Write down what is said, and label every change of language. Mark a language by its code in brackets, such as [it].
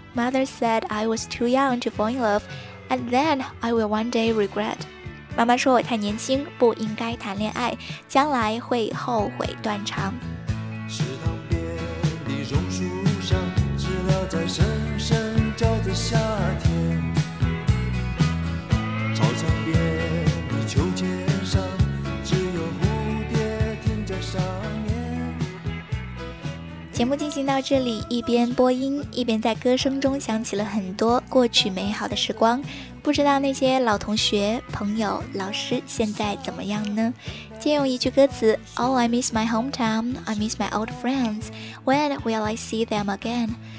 [en] Mother said I was too young to fall in love and then I will one day regret， [zh] 妈妈说我太年轻不应该谈恋爱，将来会后悔断肠。池塘边的榕树上，知了在声声叫着夏天。操场边的秋千上，只有蝴蝶停在上面。节目进行到这里，一边播音，一边在歌声中想起了很多过去美好的时光。不知道那些老同学、朋友、老师现在怎么样呢？借用一句歌词 [en] Oh, I miss my hometown, I miss my old friends, when will I see them again?